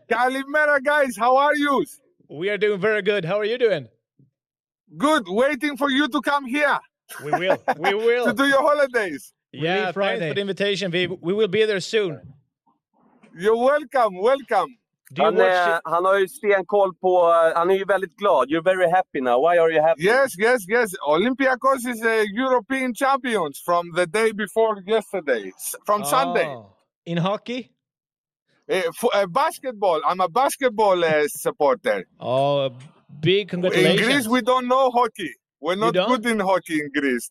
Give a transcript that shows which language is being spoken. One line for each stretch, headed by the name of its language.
English: Kalimera guys, how are you? We are doing very good. How are you doing? Good, waiting for you to come here. We will. to do your holidays. Yeah, Friday. Thanks for the invitation. We will be there soon. You're welcome.
Swedish: Han har ju stenkoll på, han är ju väldigt glad.
English: You're very happy now. Why are you happy? Yes. Olympiakos is a European champions from the day before yesterday, from Sunday. In hockey? Basketball. I'm a basketball supporter. Oh, big congratulations. In Greece, we don't know hockey. We're not good in hockey in Greece.